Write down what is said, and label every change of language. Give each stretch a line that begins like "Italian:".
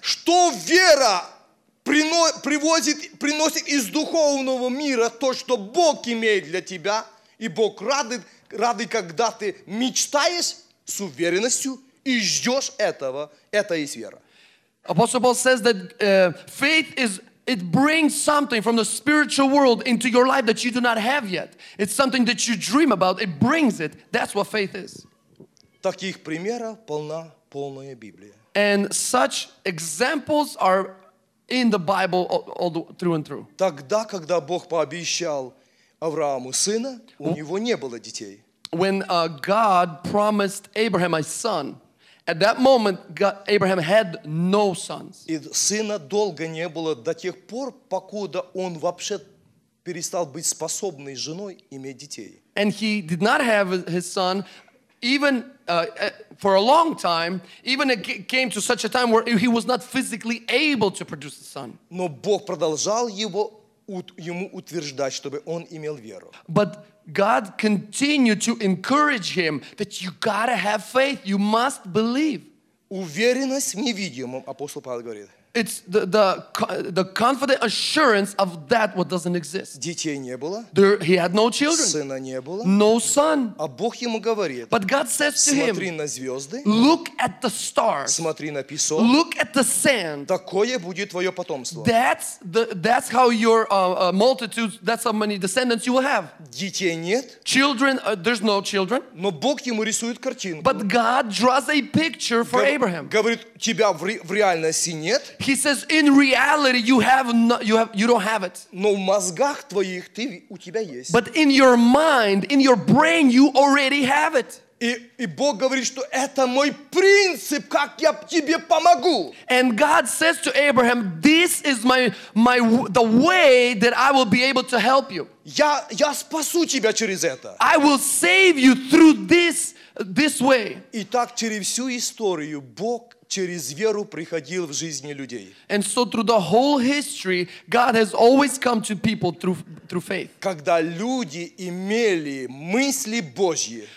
Russian: Что вера приносит из духовного мира то, что Бог имеет для тебя, и Бог радует, когда ты мечтаешь с уверенностью и ждешь этого. Это есть вера.
English: Apostle Paul says that faith is, it brings something from the spiritual world into your life that you do not have yet. It's something that you dream about. It brings it. That's what faith is.
Russian: Таких примеров полная Библия.
English: And such examples are in the Bible all through and through.
Russian: Тогда, когда Бог пообещал Аврааму сына, у него не было детей.
English: When God promised Abraham a son, at that moment Abraham had no sons.
Russian: И сына долго не было до тех пор, покуда он вообще перестал быть способным женой иметь детей.
English: And he did not have his son even for a long time, even it came to such a time where he was not physically able to produce a son.
Russian: Но Бог продолжал ему утверждать, чтобы он имел веру.
English: But God continued to encourage him that you gotta have faith, you must believe.
Russian: Уверенность в невидимом, апостол Павел говорит.
English: It's the confident assurance of that what doesn't exist.
Russian: Детей не было.
English: There, he had no children.
Russian: Сына не было.
English: No son.
Russian: А Бог ему говорит.
English: But God says to him.
Russian: Смотри на звезды.
English: Look at the stars.
Russian: Смотри на песок.
English: Look at the sand.
Russian: Такое будет твое потомство.
English: That's how your multitudes, that's how many descendants you will have.
Russian: Детей нет.
English: Children, there's no children.
Russian: Но Бог ему рисует картинку.
English: But God draws a picture for Abraham.
Russian: Говорит, тебя в реальности нет.
English: He says, in reality, you don't have it.
Russian: Но в мозгах твоих ты у тебя есть.
English: But in your mind, in your brain, you already have it.
Russian: И Бог говорит, что это мой принцип, как я тебе помогу.
English: And God says to Abraham, this is my the way that I will be able to help you.
Russian: Я спасу тебя через это.
English: I will save you through this way.
Russian: И так через всю историю Бог через веру приходил в жизни людей.
English: And so through the whole history, God has always come to people through faith.
Russian: Когда люди имели мысли Божьи.